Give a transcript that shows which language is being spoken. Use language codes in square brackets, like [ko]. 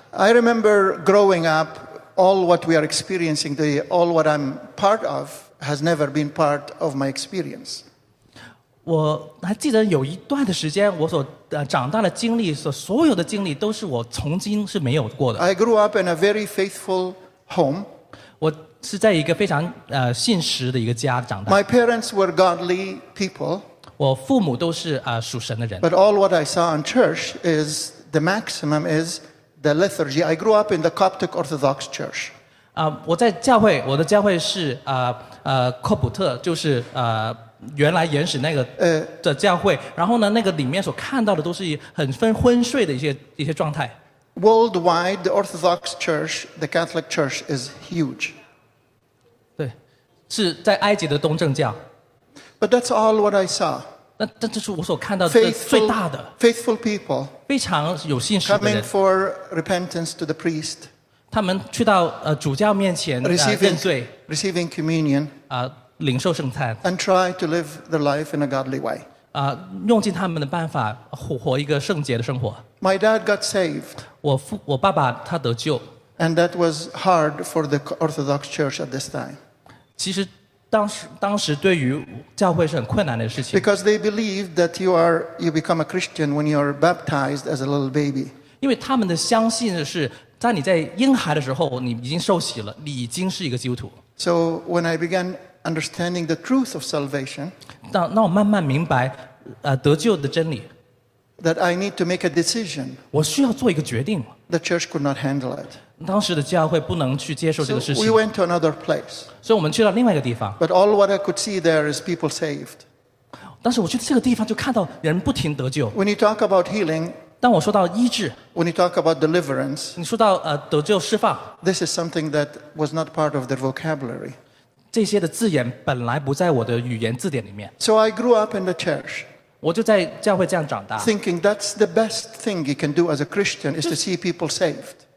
[en] I remember growing up all what we are experiencing today, all what I'm part of has never been part of my experience [zh] 我还记得有一段的时间我所长大的经历所有的经历都是我曾经是没有过的 [en] I grew up in a very faithful home [zh] 我是在一个非常信实的一个家长大。 [en] My parents were godly people. [zh] 我父母都是属神的人。 [en] But all what I saw in church is the maximum is the liturgy. I grew up in the Coptic Orthodox Church. [zh] 我在教会，我的教会是科普特，就是原来原始那个的教会。然后呢，那个里面所看到的都是很昏睡的一些状态。 [en] Worldwide, the Orthodox Church, the Catholic Church is huge. [zh] 是在埃及的东正教。 [en] But that's all what I saw. [zh] 但这是我所看到的最大的。 [en] Faithful people. [zh] 非常有信实的人。 [en] Coming for repentance to the priest. [zh] 他们去到主教面前认罪。 [en] Receiving communion. [zh] 领受圣餐。 [en] And try to live their life in a godly way. [zh] 用尽他们的办法活一个圣洁的生活。 [en] My dad got saved. [zh] 我爸爸他得救。 [en] And that was hard for the Orthodox Church at this time. [zh] 其实当时对于教会是很困难的事情。 [en] Because they believe that you become a Christian when you are baptized as a little baby. [zh] 因为他们的相信的是，在你在婴孩的时候，你已经受洗了，你已经是一个基督徒。 [en] So when I began understanding the truth of salvation, [zh] 那我慢慢明白，得救的真理。 [en] That I need to make a decision. [zh] 我需要做一个决定。 [en] The church could not handle it. [zh] 当时的教会不能去接受这个事情。 [en] So we went to another place. [zh] 所以我们去了另外一个地方。 [en] But all what I could see there is people saved. [zh] 当时我去这个地方就看到人不停得救。 [en] When you talk about healing, [zh] 当我说到医治。 [en] When you talk about deliverance, [zh] 你说到得救释放。 [en] This is something that was not part of their vocabulary. [zh] 这些的字眼本来不在我的语言字典里面。 [en] So I grew up in the church. [zh] 我就在教会这样长大。 [en] Thinking that's the best thing you can do as a Christian is to see people saved.